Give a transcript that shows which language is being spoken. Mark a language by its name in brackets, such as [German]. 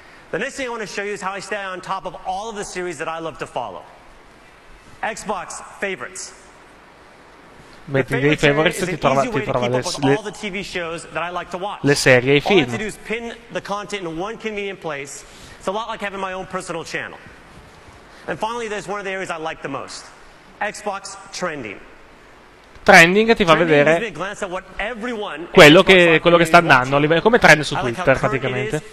[English] The next thing I want to show you is how I stay on top of all of the series that I love to follow. Xbox favorites. [Italian] Metti dei favorites e ti trova le serie e i film. [English] All I have to do is pin the content in one convenient place. It's a lot like having my own personal channel. And finally, there's one of the areas I like the most. Xbox trending. [Italian] Trending ti fa vedere quello che sta andando, come trend su Twitter praticamente.